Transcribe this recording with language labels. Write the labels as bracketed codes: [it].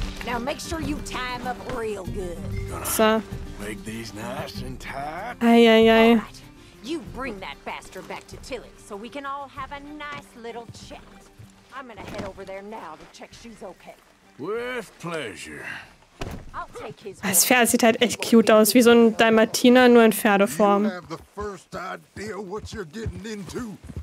[en] Now make sure you tie them up real good. So. Make these nice and tight. Eieiei. You bring that bastard back to Tilly, so we can all have a nice little chat. I'm gonna head over there now to check she's okay. With pleasure. [de] Das Pferd sieht halt echt cute aus, wie so ein Dalmatiner, nur in Pferdeform. [en] You have the first idea what you're getting into.